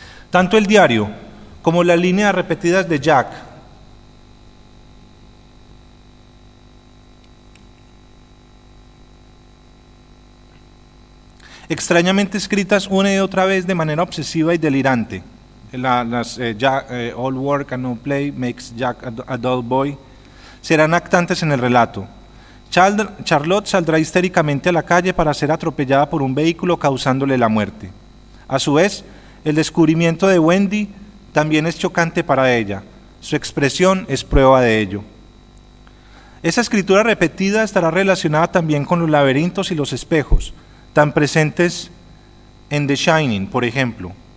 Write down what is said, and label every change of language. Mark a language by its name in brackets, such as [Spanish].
[Spanish] Tanto el diario como las líneas repetidas de Jack. Extrañamente escritas una y otra vez de manera obsesiva y delirante. [English] All work and no play makes Jack a dull boy. [Spanish] Serán actantes en el relato. Charlotte saldrá histéricamente a la calle para ser atropellada por un vehículo causándole la muerte. A su vez, el descubrimiento de Wendy también es chocante para ella. Su expresión es prueba de ello. Esa escritura repetida estará relacionada también con los laberintos y los espejos, tan presentes en The Shining, por ejemplo.